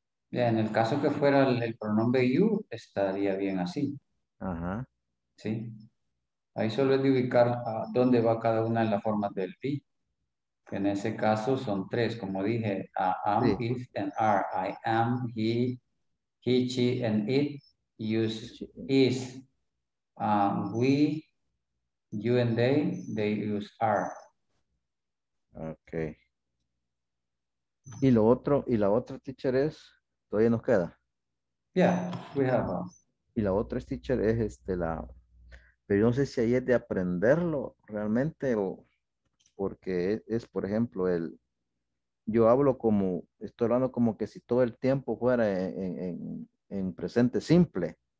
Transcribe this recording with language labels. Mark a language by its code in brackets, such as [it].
[es] Ya, en el caso que fuera el pronombre you, estaría bien así. Ajá. Sí. Ahí solo es de ubicar a dónde va cada una de las formas del be. En ese caso son tres, como dije, I am, sí. [en] If, and are. I am, he, he, she, and it, use, is, we, you, and they use, are. Okay. [es] Y lo otro, y la otra, teacher, es, todavía nos queda. [en] Yeah, we have one. [es] Y la otra, teacher, es este, la, pero yo no sé si ahí es de aprenderlo realmente o, porque es por ejemplo, el, yo hablo como, estoy hablando como que si todo el tiempo fuera en presente simple.